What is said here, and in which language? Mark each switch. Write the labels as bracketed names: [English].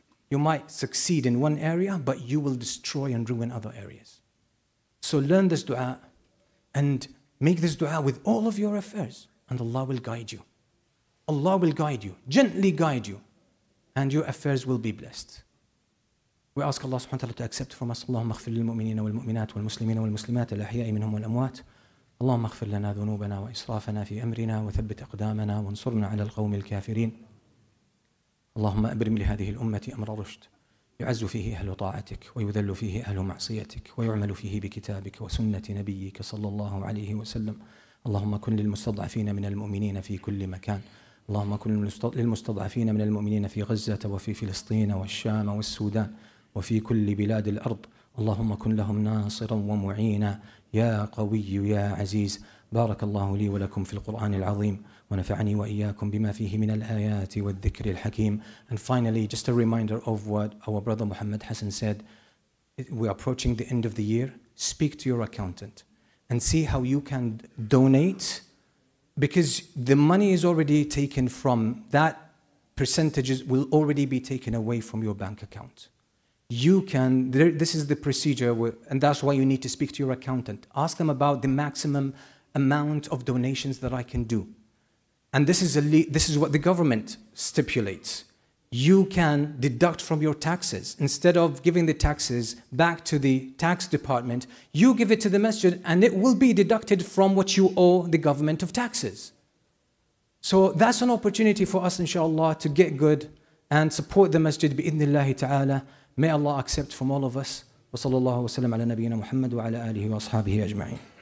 [English] You might succeed in one area, but you will destroy and ruin other areas. So learn this dua and make this dua with all of your affairs, and Allah will guide you. Allah will guide you, gently guide you, and your affairs will be blessed. We ask Allah subhanahu wa ta'ala to accept from us. [Arabic] اللهم اغفر للمؤمنين والمؤمنات والمسلمين والمسلمات الأحياء منهم والأموات. اللهم اغفر لنا ذنوبنا وإسرافنا في أمرنا وثبت أقدامنا وانصرنا على القوم الكافرين. اللهم أبرم لهذه الأمة أمر رشد يعز فيه أهل طاعتك ويذل فيه أهل معصيتك ويعمل فيه بكتابك وسنة نبيك صلى الله عليه وسلم. اللهم كن للمستضعفين من المؤمنين في كل مكان. اللهم كن للمستضعفين من المؤمنين في غزة وفي فلسطين والشام والسودان. وفي كل بلاد الأرض اللهم كن لهم ناصرا ومعينا يا قوي يا عزيز بارك الله لي ولكم في القرآن العظيم ونفعني وإياكم بما فيه من الآيات والذكر الحكيم. [English] And finally, just a reminder of what our brother Muhammad Hassan said, we're approaching the end of the year, speak to your accountant and see how you can donate, because the money is already taken from that, percentages will already be taken away from your bank account. You can, there, this is the procedure, and that's why you need to speak to your accountant. Ask them about the maximum amount of donations that I can do. And this is what the government stipulates. You can deduct from your taxes. Instead of giving the taxes back to the tax department, you give it to the masjid and it will be deducted from what you owe the government of taxes. So that's an opportunity for us, inshallah, to get good and support the masjid bi'idhnillahi ta'ala. May Allah accept from all of us. [Arabic] وصلى الله وسلم على نبينا محمد وعلى آله وأصحابه أجمعين.